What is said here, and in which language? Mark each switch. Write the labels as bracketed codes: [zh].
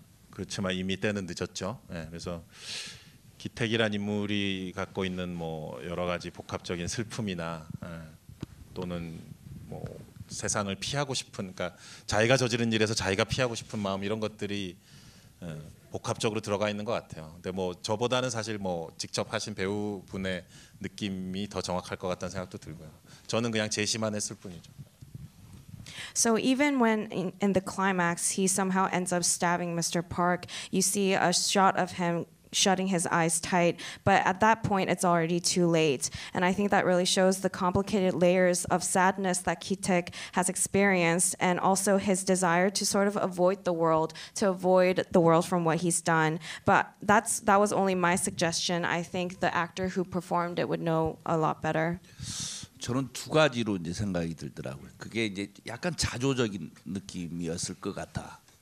[ko] 그렇지만 이미 때는 늦었죠. 예, 그래서 기택이란 인물이 갖고 있는 뭐 여러 가지 복합적인 슬픔이나 예, 또는 뭐 세상을 피하고 싶은, 그러니까 자기가 저지른 일에서 자기가 피하고 싶은 마음 이런 것들이 예, 복합적으로 들어가 있는 것 같아요. 근데 뭐 저보다는 사실 뭐 직접 하신 배우분의 느낌이 더 정확할 것 같다는 생각도 들고요. 저는 그냥 제시만 했을 뿐이죠. [en] So even when in the climax he somehow ends up stabbing Mr. Park, you see a shot of him shutting his eyes tight, but at that point it's already too late. And I think that really shows the complicated layers of sadness that Ki-taek has experienced and also his desire to sort of avoid the world, to avoid the world from what he's done. But that was only my suggestion. I think the actor who performed it would know a lot better. [ko] 저는 두 가지로 이제 생각이 들더라고요. 그게 이제 약간 자조적인 느낌이었을 것 같아.